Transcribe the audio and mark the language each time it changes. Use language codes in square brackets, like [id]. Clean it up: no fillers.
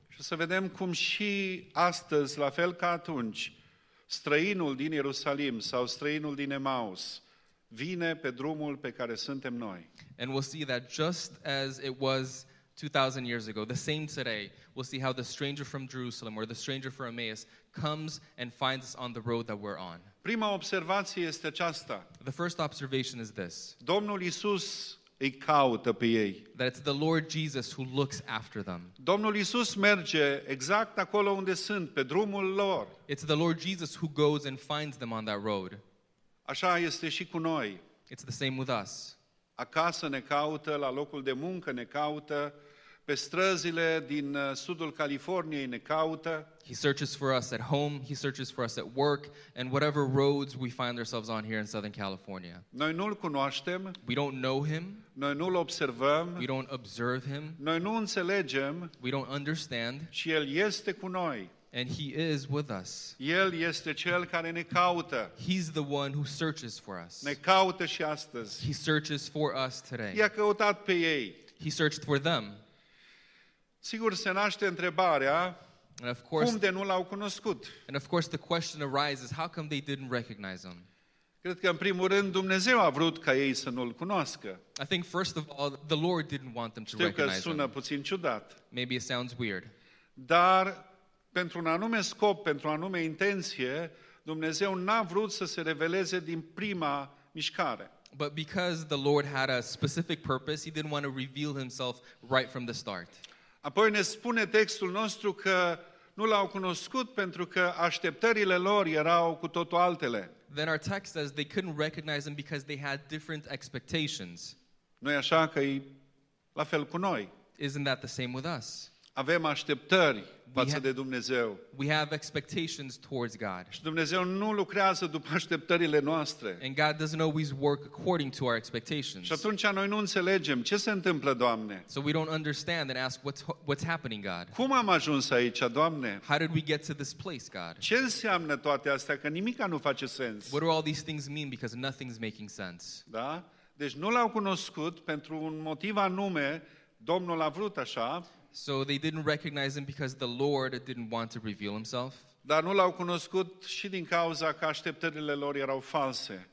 [ro] Și să vedem cum și astăzi, la fel ca atunci, străinul din Ierusalim sau străinul din Emmaus vine pe drumul pe care suntem noi. [en] And we'll see that just as it was 2,000 years ago, the same today, we'll see how the stranger from Jerusalem or the stranger from Emmaus comes and finds us on the road that we're on. [ro] Prima observație este aceasta. [en] The first observation is this. [ro] Domnul Iisus îi caută pe ei. [en] That it's the Lord Jesus who looks after them. [ro] Domnul Iisus merge exact acolo unde sunt, pe drumul lor. [en] It's the Lord Jesus who goes and finds them on that road. [ro] Așa este și cu noi. [en] It's the same with us. [ro] Acasă ne caută, la locul de muncă ne caută, pe străzile din sudul Californiei ne caută. [en] He searches for us at home, he searches for us at work, and whatever roads we find ourselves on here in Southern California. [ro] Noi nu-L cunoaștem. [en] We don't know Him. [ro] Noi nu-L observăm. [en] We don't observe Him. [ro] Noi nu înțelegem. [en] We don't understand. [ro] Și El este cu noi. [en] And He is with us. [ro] El este Cel care ne caută. [en] He's the one who searches for us. [ro] Ne caută și astăzi. [en] He searches for us today. [ro] I-a căutat pe ei. [en] He searched for them. [ro] Sigur, se naște întrebarea, cum de nu L-au cunoscut? [en] And of course the question arises, how come they didn't recognize Him? [ro] Cred că, în primul rând, Dumnezeu a vrut ca ei să nu-L cunoască. [en] I think, first of all, the Lord didn't want them to recognize Him. [ro] Știu că sună puțin ciudat. [en] Maybe it sounds weird. [ro] Dar, pentru un anume scop, pentru o anume intenție, Dumnezeu n-a vrut să se reveleze din prima mișcare. [en] But because the Lord had a specific purpose, He didn't want to reveal Himself right from the start. [ro] Apoi ne spune textul nostru că nu L-au cunoscut pentru că așteptările lor erau cu totul altele. [en] Then our text says they couldn't recognize Him because they had different expectations. [ro] Nu-i așa că e la fel cu noi? [en] Isn't that the same with us? [ro] Avem așteptări față de Dumnezeu. [en] We have expectations towards God. [ro] Și Dumnezeu nu lucrează după așteptările noastre. [en] And God doesn't always work according to our expectations. [ro] Și atunci noi nu înțelegem ce se întâmplă, Doamne. [en] So we don't understand and ask what's happening, God. [ro] Cum am ajuns aici, Doamne? [en] How did we get to this place, God? [ro] Ce înseamnă toate astea, că nimica nu face sens? [en] What do all these things mean because nothing's making sense? [ro] Da? Deci nu L-au cunoscut pentru un motiv anume, Domnul a vrut așa. [en] So they didn't recognize Him because the Lord didn't want to reveal Himself. [ro] Dar nu L-au cunoscut și din cauza că așteptările lor erau false.